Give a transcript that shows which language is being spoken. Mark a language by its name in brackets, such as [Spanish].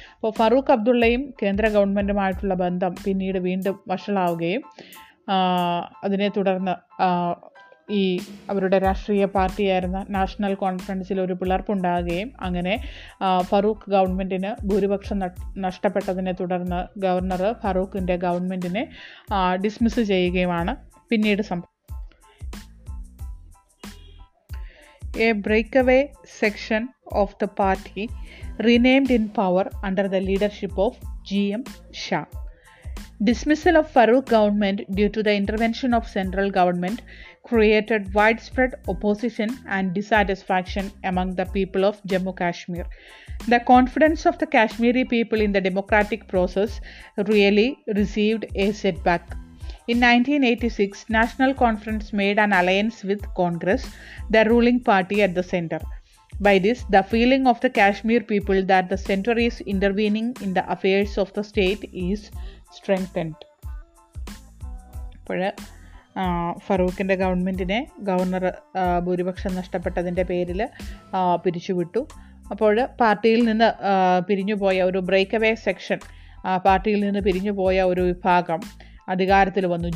[Malayalam] അപ്പോൾ ഫറൂഖ് അബ്ദുള്ളയും കേന്ദ്ര ഗവൺമെൻറ്റുമായിട്ടുള്ള ബന്ധം പിന്നീട് വീണ്ടും വഷളാവുകയും അതിനെ തുടർന്ന് ഈ അവരുടെ രാഷ്ട്രീയ പാർട്ടിയായിരുന്ന നാഷണൽ കോൺഫറൻസിൽ ഒരു പിളർപ്പുണ്ടാകുകയും അങ്ങനെ ഫറൂഖ് ഗവൺമെൻറ്റിന് ഭൂരിപക്ഷം നഷ്ടപ്പെട്ടതിനെ തുടർന്ന് ഗവർണർ ഫറൂഖിൻ്റെ ഗവൺമെൻറ്റിനെ ഡിസ്മിസ് ചെയ്യുകയുമാണ് പിന്നീട് [English] A breakaway section of the party remained in power under the leadership of G M Shah. Dismissal of Farooq government due to the intervention of central government created widespread opposition and dissatisfaction among the people of Jammu Kashmir. The confidence of the Kashmiri people in the democratic process really received a setback. In 1986, National Conference made an alliance with Congress, the ruling party at the center. By this, the feeling of the Kashmir people that the center is intervening in the affairs of the state is strengthened. [Malayalam] അപ്പോൾ ഫറൂഖിൻ്റെ ഗവൺമെൻറ്റിനെ governor ഭൂരിപക്ഷം നഷ്ടപ്പെട്ടതിൻ്റെ പേരിൽ പിരിച്ചുവിട്ടു. അപ്പോൾ പാർട്ടിയിൽ നിന്ന് പിരിഞ്ഞുപോയ ഒരു break away section, പാർട്ടിയിൽ നിന്ന് പിരിഞ്ഞുപോയ ഒരു വിഭാഗം അധികാരത്തിൽ വന്നു.